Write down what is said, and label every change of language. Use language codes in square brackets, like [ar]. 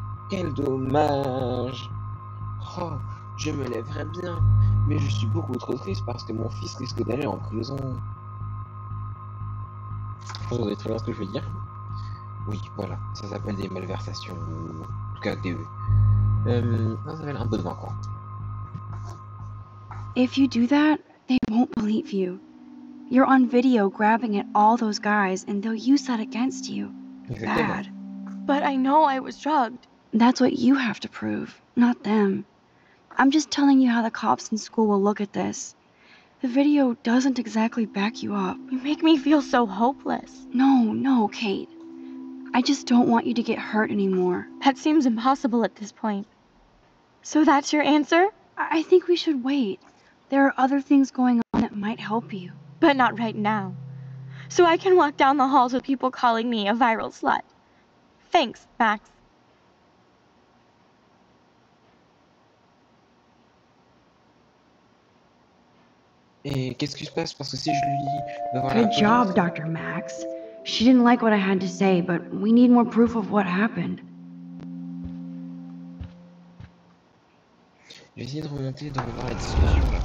[fr] Quel dommage. Oh, je me lèverai bien, mais je suis beaucoup trop triste parce que mon fils risque d'aller en prison. Vous avez très bien ce que je veux dire. Oui, voilà, ça s'appelle des malversations, ou en tout cas des... ça s'appelle un peu de vin, quoi. [en] If you do that, they won't believe you. You're on video grabbing at all those guys, and they'll use that against you. Bad. But I know I was drugged. That's what you have to prove, not them. I'm just telling you how the cops in school will look at this. The video doesn't exactly back you up. You make me feel so hopeless. No, no, Kate. I just don't want you to get hurt anymore. That seems impossible at this point. So that's your answer? I think we should wait. There are other things going on that might help you. But not right now. So I can walk down the halls with people calling me a viral slut. Thanks, Max. [fr] Et qu'est-ce qui se passe? Parce que si je lui... [en] Good job, Dr. Max. She didn't like what I had to say, but we need more proof of what happened. [fr] Je vais essayer de remonter dans la discussion.